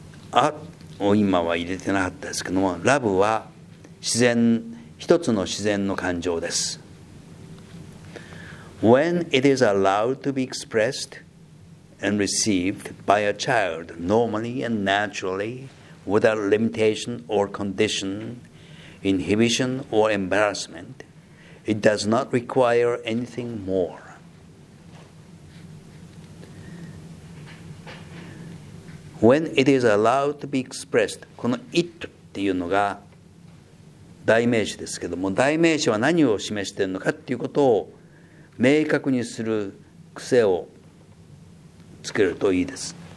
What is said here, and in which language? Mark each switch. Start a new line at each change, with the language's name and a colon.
Japanese: あを今は入れてなかったですけども、Love は自然、一つの自然の感情です。
English: When it is allowed to be expressed and received by a child normally and naturally without limitation or condition, inhibition or embarrassment, it does not require anything more. When it is allowed to be expressed,
Japanese: この it っていうのが代名詞ですけども、代名詞は何を示しているのかっていうことを明確にする癖をつけるといいです。